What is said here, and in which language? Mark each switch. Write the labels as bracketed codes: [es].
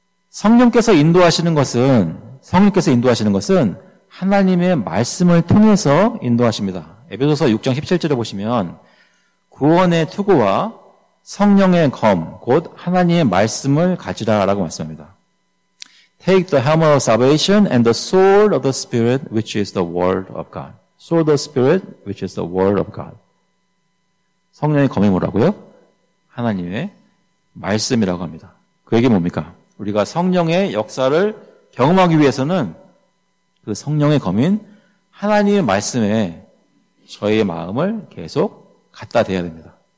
[ko] 성령께서 인도하시는 것은 하나님의 말씀을 통해서 인도하십니다. 에베소서 6장 17절에 보시면 구원의 투구와 성령의 검, 곧 하나님의 말씀을 가지라 라고 말씀합니다. [en] Take the helmet of salvation and the sword of the Spirit, which is the word of God. Sword of the Spirit, which is the word of God. [ko] 성령의 검이 뭐라고요? 하나님의 말씀이라고 합니다. 그 얘기 뭡니까? 우리가 성령의 역사를 경험하기 위해서는 그 성령의 검인 하나님의 말씀에 저의 마음을 계속 갖다 대야 됩니다.